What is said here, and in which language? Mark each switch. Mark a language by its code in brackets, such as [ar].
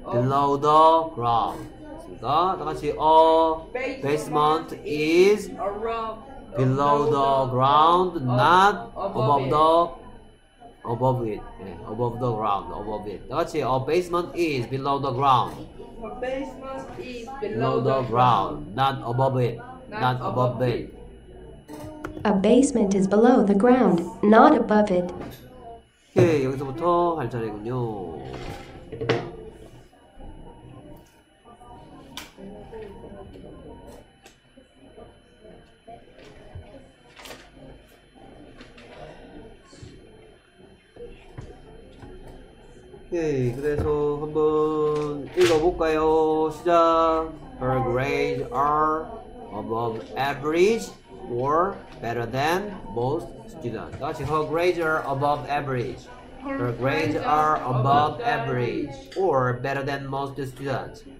[en] Below the ground. [ko] 자, 다 같이 [en] a basement is below the ground, not above the above it. Yeah, above the ground, above it. [ko] 다 같이 [en] a basement is below the ground. A basement is below the ground, not above it. Not above it. A basement is below the ground, not above it. [ko] 오케이, 여기서부터 할 차례군요. 오케이, 그래서 한번 읽어볼까요? 시작! [en] Her grades are above average or better than most students. [ko] 다 같이 [en] Her grades are above average. Her grades are above average or better than most students.